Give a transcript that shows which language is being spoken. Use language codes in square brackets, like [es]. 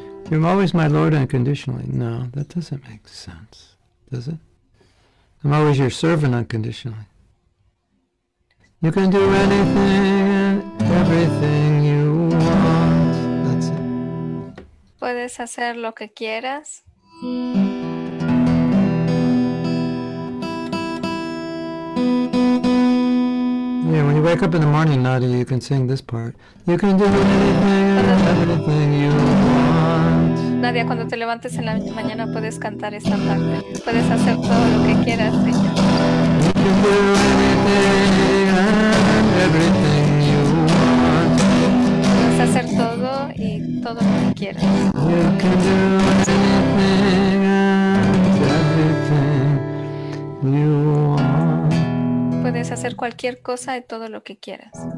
[en] You're always my Lord unconditionally. No, that doesn't make sense, does it? I'm always your servant unconditionally. You can do anything and everything you want. That's it. [es] Puedes hacer lo que quieras. [en] Yeah, when you wake up in the morning, Nadi, you can sing this part. You can do anything and everything you want. [es] Nadia, cuando te levantes en la mañana, puedes cantar esta parte. Puedes hacer todo lo que quieras, Señor. [en] You can do anything and everything you want. [es] Puedes hacer todo y todo lo que quieras. [en] You can do anything and everything you want. [es] Puedes hacer cualquier cosa y todo lo que quieras.